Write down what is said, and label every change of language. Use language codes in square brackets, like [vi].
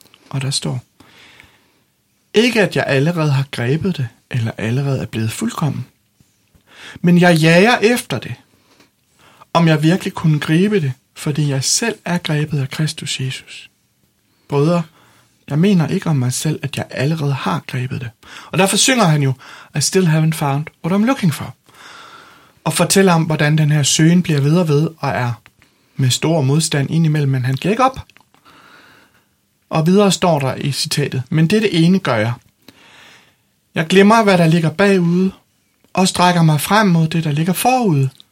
[da] Og der står, ikke at jeg allerede har grebet det, eller allerede er blevet fuldkommen, men jeg jager efter det, om jeg virkelig kunne gribe det, fordi jeg selv er grebet af Kristus Jesus. Brødre, jeg mener ikke om mig selv, at jeg allerede har grebet det. Og derfor synger han jo, [en] I still haven't found what I'm looking for. [da] Og fortæller om, hvordan den her søgen bliver videre ved, og er med stor modstand indimellem, men han giver ikke op. Og videre står der i citatet, men det er det ene gør jeg. Jeg glemmer, hvad der ligger bagude, og strækker mig frem mod det, der ligger forude.